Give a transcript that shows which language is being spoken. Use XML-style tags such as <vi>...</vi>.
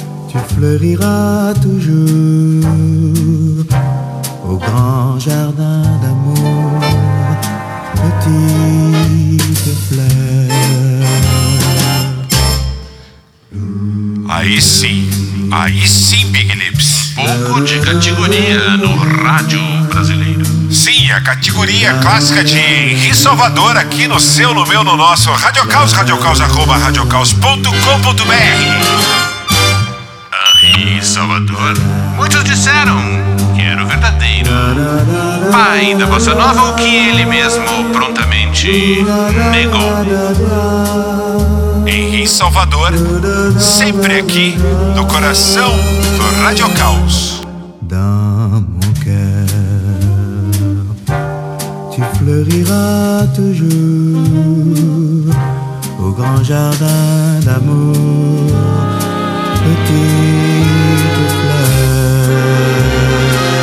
<fr>Tu fleuriras toujours au grand jardin d'amour, petite fleur.</fr> <pt>Aí sim, Big Lips. Pouco de categoria no rádio brasileiro. Sim, a categoria clássica de Henri Salvador aqui no seu, no meu, no nosso Rádio Caos, radiocaos@radiocaos.com.br. Henri Salvador. Muitos disseram que era o verdadeiro pai da bossa nova, o que ele mesmo prontamente negou. Henri Salvador, sempre aqui no coração do Rádio Caos.</pt> <fr>Dans mon cœur, tu fleuriras toujours au grand jardin d'amour, petite fleur.</fr>